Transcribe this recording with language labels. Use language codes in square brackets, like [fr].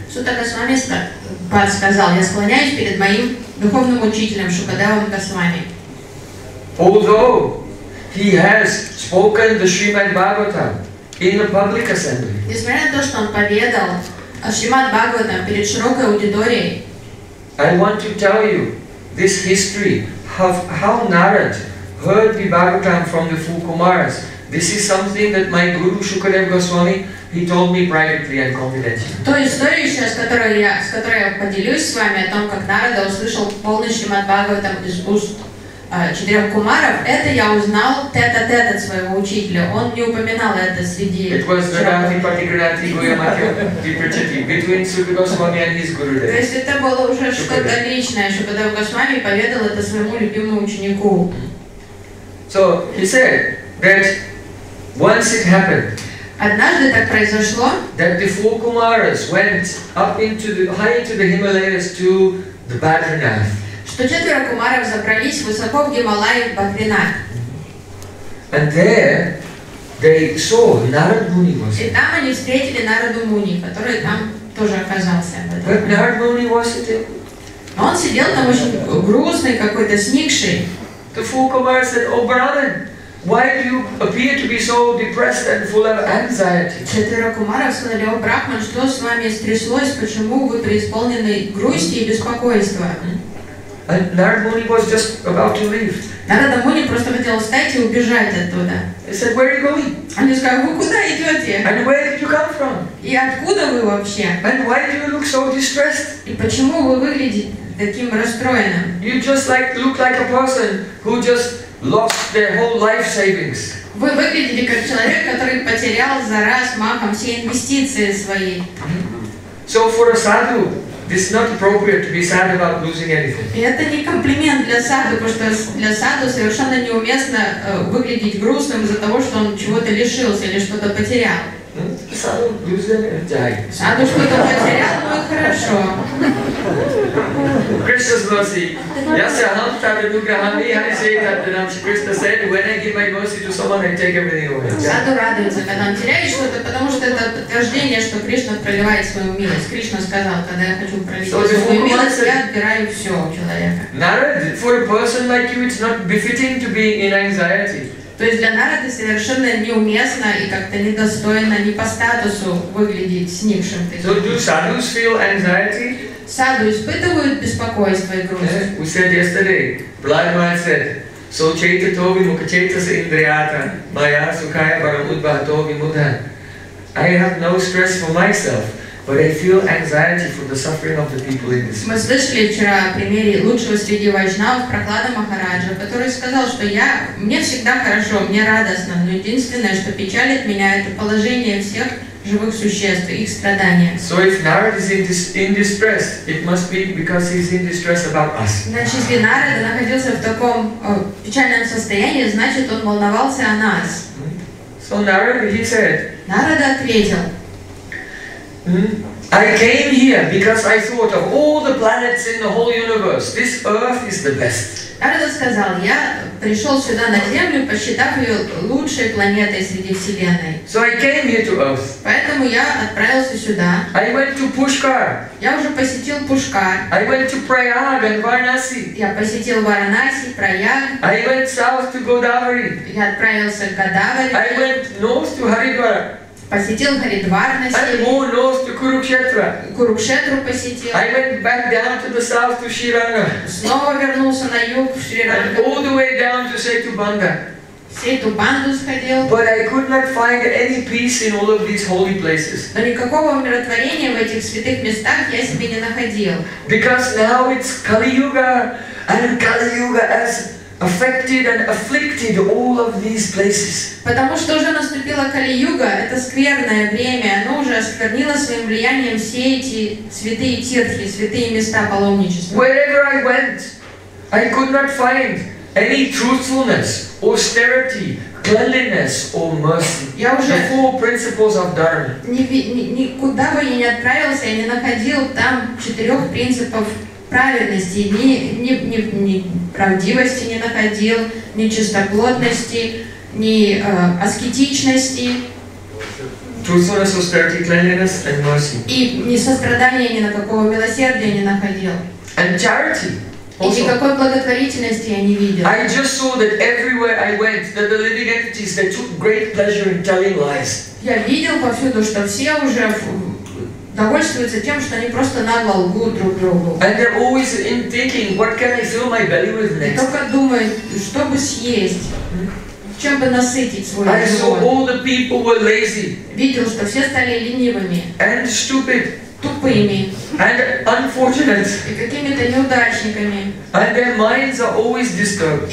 [ru] Sutta Goswami сказал, я склоняюсь перед моим духовным учителем Шукадевом Госвами. [en] Although he has spoken the Srimad Bhagavatam in a public assembly. [ru] Несмотря на то, что он поведал о Шримад Бхагаватам перед широкой аудиторией. [en] I want to tell you this history of how Narad heard the Bhagavatam from the four Kumaras. This is something that my Guru Shukadev Goswami, he told me privately and confidentially. [ru] То историю сейчас, с которой я поделюсь с вами о том, как Нарада услышал полный Шримад Бхагаватам из уст четырех Кумаров, это я узнал тет-а-тет от своего учителя. Он не упоминал это среди. [en] It was Radhi Patigranti Guyamati Pratiti between Sutta Goswami and his Guru. [ru] То есть это было уже что-то личное, Шукадев Госвами поведал это своему любимому ученику. [en] So he said that once it happened, [ru] Однажды так произошло. [en] That the four Kumaras went up into the high into the Himalayas to the Badrinath. [ru] Что четверо Кумаров забрались высоко в Гималаи в Бадринах. [en] And there they saw Narad Muni was. [ru] И там они встретили Нараду Муни, который там тоже оказался. [en] But Narad Muni was it? [ru] Он сидел там очень грустный какой-то, сникший. [en] The four Kumaras said, "Oh, brother, why do you appear to be so depressed and full of anxiety?" [ru] Четверо Кумаров сказали: "О, Брахман, что с вами стряслось? Почему вы преисполнены грусти и беспокойства?" [en] And Narad Muni was just about to leave. [ru] Нарада Муни просто хотел встать и убежать оттуда. [en] He said, "Where are you going?" [ru] Они сказали: "Вы куда идете?" [en] And where did you come from? [ru] И откуда вы вообще? [en] And why do you look so distressed? [ru] И почему вы выглядите таким расстроенным? [en] You just like look like a person who just lost their whole life savings. [ru] Вы выглядите как человек, который потерял за раз махом все инвестиции свои. [en] So for a sadhu, it's not appropriate to be sad about losing anything. [ru] И это не комплимент для саду, потому что для саду совершенно неуместно выглядеть грустным из-за того, что он чего-то лишился или что-то потерял. [en] Саду losing and dying. [ru] Саду что-то потерял, но хорошо. [en] Krishna's mercy. [sa] Yasyaham tadanugraham ihaniseyatadanam. [en] Krishna said, when I give my mercy to someone, I take everything away. [ru] Саду радуется, когда он теряет что-то, потому что это подтверждение, что Кришна проливает свою милость. Кришна сказал, когда я хочу пролить свою милость, я отбираю все у человека. [en] Narad, for a person like you, it's not befitting to be in anxiety. [ru] То есть для Нарады совершенно неуместно и как-то недостойно не по статусу выглядеть снившим. [en] So do sadhus feel anxiety? [ru] Саду испытывают беспокойство и грусть. [en] Yeah, we said yesterday, Blagman said, [sa] so chaita tovi mukacheta se indriyata, maya sukhaya paramudbha tovi mudha. [en] I have no stress for myself, but I feel anxiety for the suffering of the people in this. [ru] Мы слышали вчера о примере лучшего среди вайшнавов Прохлада Махараджа, который сказал, что мне всегда хорошо, мне радостно, но единственное, что печалит меня, это положение всех живых существ, их страдания. [en] So if Narad is in distress, it must be because he is in distress about us. [ru] Значит, если Нарада находился в таком печальном состоянии, значит, он волновался о нас. [en] So Narad, he said. [ru] Нарада ответил. [en] I came here because I thought of all the planets in the whole universe. This Earth is the best. [ru] Нарада сказал, я пришел сюда на Землю, посчитав ее лучшей планетой среди Вселенной. [en] So I came here to Earth. [ru] Поэтому я отправился сюда. [en] I went to Pushkar. [ru] Я уже посетил Пушкар. [en] I went to Prayag and Varanasi. [ru] Я посетил Варанаси, Прайаг. [en] I went south to Godavari. [ru] Я отправился к Годавари. [en] I went north to Haridwar. [ru] Посетил Харидвар на севере. [en] I went north to Курукшетра. [ru] Курукшетру посетил. [en] I went back down to the south to Шриранга. [ru] Снова вернулся на юг в Шриранга. [en] And all the way down to Сетубанга. [ru] Сетубанду сходил. [en] But I could not find any peace in all of these holy places. [ru] Но никакого умиротворения в этих святых местах я себе не находил. [en] Because now it's Kali Yuga, and Kali Yuga has affected and afflicted all of these places. [ru] Потому что уже наступила Кали-юга, это скверное время, оно уже осквернило своим влиянием все эти святые тирхи, святые места паломничества. [en] Wherever I went, I could not find any truthfulness, austerity, cleanliness or mercy. [ru] Я уже [en] the four principles of dharma. [ru] Никуда бы я не отправился, я не находил там четырех принципов праведности, ни правдивости не находил, ни чистоплотности, ни аскетичности. [en] Truthfulness, austerity, cleanliness, and mercy. [ru] И ни сострадания, ни на какого милосердия не находил. [en] And charity. Also. [ru] И никакой благотворительности я не видел. [en] I just saw that everywhere I went, that the living entities, they took great pleasure in telling lies. [ru] Я видел повсюду, что все уже довольствуются тем, что они просто нагло лгут друг другу. [en] And they're always in thinking, what can I fill my belly with next? [ru] И только думают, что бы съесть, чем бы насытить свой живот. [en] I saw all the people were lazy. [ru] Видел, что все стали ленивыми. [en] And stupid. [ru] Тупыми. [en] And unfortunate. [ru] И какими-то неудачниками. [en] And their minds are always disturbed.